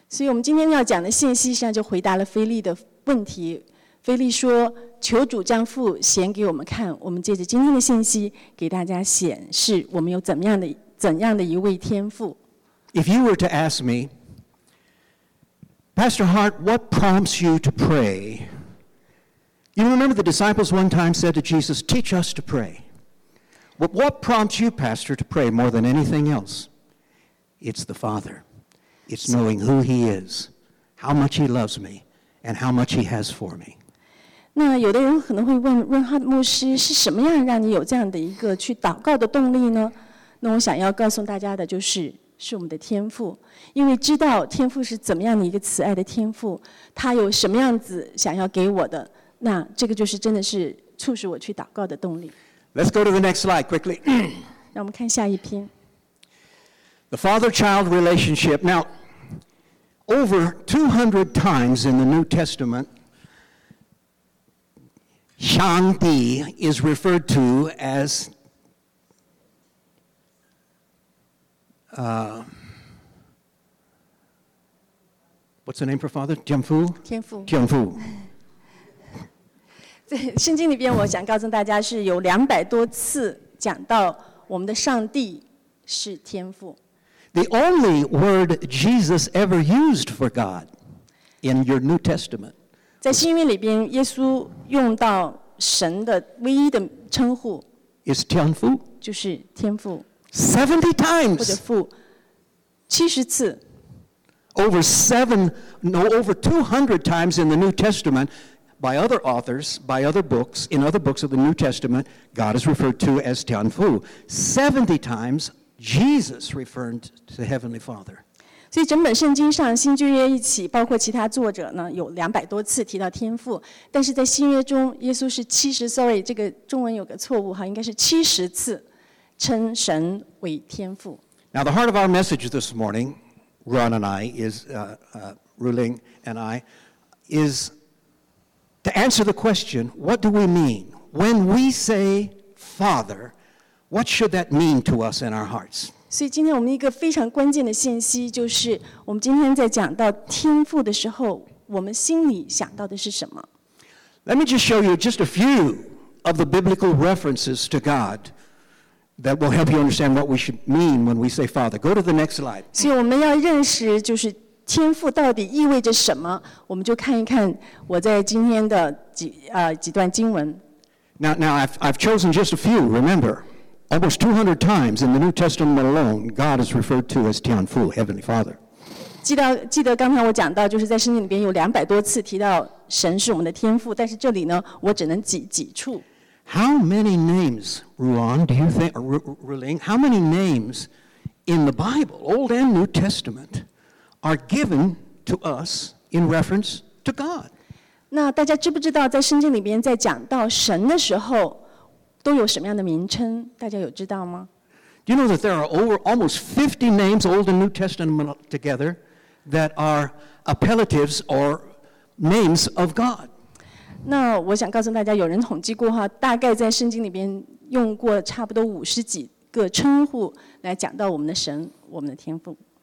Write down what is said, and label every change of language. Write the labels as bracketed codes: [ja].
[zh] 所以我们今天要讲的信息实际上就回答了菲利的问题。菲利说：“求主将父显给我们看，我们借着今天的信息给大家显示我们有怎样的一位天父。” [en] If you were to ask me, Pastor Hart, what prompts you to pray? You remember the disciples one time said to Jesus, "Teach us to pray." But what prompts you, Pastor, to pray more than anything else? It's the Father. It's knowing who He is, how much He loves me, and how much He has for me. [zh] 那有的人可能会问润哈牧师，是什么样让你有这样的一个去祷告的动力呢？那我想要告诉大家的就是，是我们的天父。因为知道天父是怎么样的一个慈爱的天父，他有什么样子想要给我的，那这个就是真的是促使我去祷告的动力。 [en] Let's go to the next slide quickly. [zh] 让我们看下一篇。 [en] The father-child relationship. Now, over 200 times in the New Testament,上帝 is referred to as what's the name for father? [zh] 天父。天父。天父。在圣经里边，我想告诉大家是有200多次讲到我们的上帝是天父。 [en] The only word Jesus ever used for God in your New Testament. [zh] 在新约里边，耶稣用到。神的唯一的称呼 is 天父，就是天父。 [en] 70 times [zh] 或者父，70次。 [en] Over 200 times in the New Testament, by other authors, by other books, in other books of the New Testament, God is referred to as 天父。 70 times Jesus referred to the Heavenly Father. [zh] 所以整本圣经上，新旧约一起，包括其他作者呢，有200多次提到天父。但是在新约中，耶稣是70 这个中文有个错误哈，应该是70次称神为天父。 [en] Now the heart of our message this morning, Ron and I is Ruling and I is to answer the question: What do we mean when we say Father? What should that mean to us in our hearts? [zh] 所以今天我们一个非常关键的信息就是我们今天在讲到天父的时候我们心里想到的是什么 [en] Let me just show you just a few of the biblical references to God that will help you understand what we should mean when we say Father. Go to the next slide. [zh] 所以我们要认识就是天父到底意味着什么我们就看一看我在今天的 几段经文 [en] Now I've chosen just a few, remember. Almost 200 times in the New Testament alone, God is referred to as Tian Fu, Heavenly Father. [zh] 记得刚才我讲到，就是在圣经里边有200多次提到神是我们的天父，但是这里呢，我只能几处。 [en] How many names, Ruan? Do you think, Ruling? How many names in the Bible, Old and New Testament, are given to us in reference to God? [zh] 那大家知不知道，在圣经里边在讲到神的时候？都有什么样的名称？大家有知道吗 [en] ？Do you know that there are over almost 50 names, Old and New Testament together, that are appellatives or names of God? [zh] 那我想告诉大家，有人统计过哈，大概在圣经里边用过差不多50几个称呼来讲到我们的神，我们的天父。